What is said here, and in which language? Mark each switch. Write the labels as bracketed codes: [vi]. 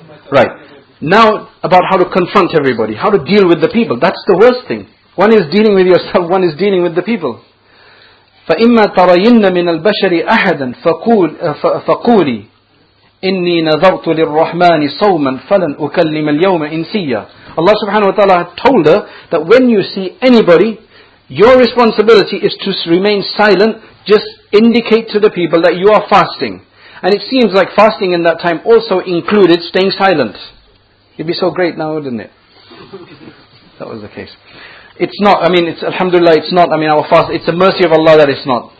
[en] Right. Now, about how to confront everybody, how to deal with the people. That's the worst thing. One is dealing with yourself, one is dealing with the people. [ar] فَإِمَّا تَرَيِنَّ مِنَ الْبَشَرِ أَحَدًا فَقُولِ إِنِّي نَذَرْتُ لِلرَّحْمَانِ صَوْمًا فَلَنْ أُكَلِّمَ الْيَوْمَ إِنْسِيَّ. [en] Allah subhanahu wa ta'ala told her that when you see anybody, Your responsibility is to remain silent, just indicate to the people that you are fasting. And it seems like fasting in that time also included staying silent. It'd be so great now, wouldn't it? That was the case. It's not, I mean, it's alhamdulillah, it's not, I mean, our fast, it's a mercy of Allah that it's not.